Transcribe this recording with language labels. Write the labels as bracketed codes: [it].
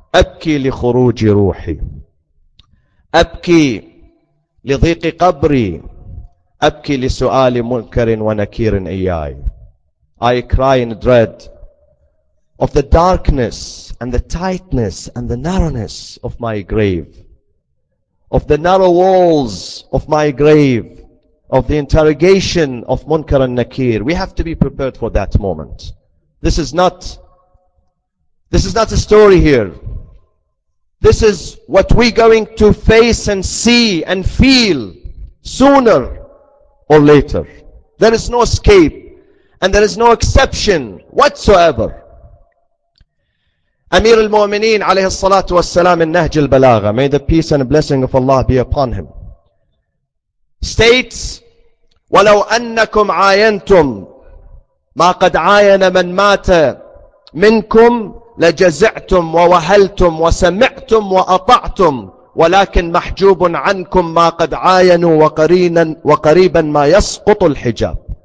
[ar] أبكي لخروج روحي أبكي لضيق قبري أبكي لسؤال منكر ونكير إياي. [en] I cry in dread of the darkness and the tightness and the narrowness of my grave, of the narrow walls of my grave, of the interrogation of Munkar and Nakir. We have to be prepared for that moment. This is not a story here. This is what we're going to face and see and feel sooner or later. There is no escape and there is no exception whatsoever. [ar] Amir al-Mu'mineen alayhi salatu wassalam in Nahj al-Balagha, [en] may the peace and blessing of Allah be upon him, states, [ar] وَلَوْ أَنَّكُمْ عَيَنْتُمْ مَا قَدْ عَيَنَ مَنْ مَاتَ مِنْكُمْ لَجَزِعْتُمْ وَوَهَلْتُمْ وَسَمِعْتُمْ وَأَطَعْتُمْ وَلَكِنْ مَحْجُوبٌ عَنْكُمْ مَا قَدْ عَيَنُوا وَقَرِيبًا مَا يَسْقُطُ الْحِجَابُ.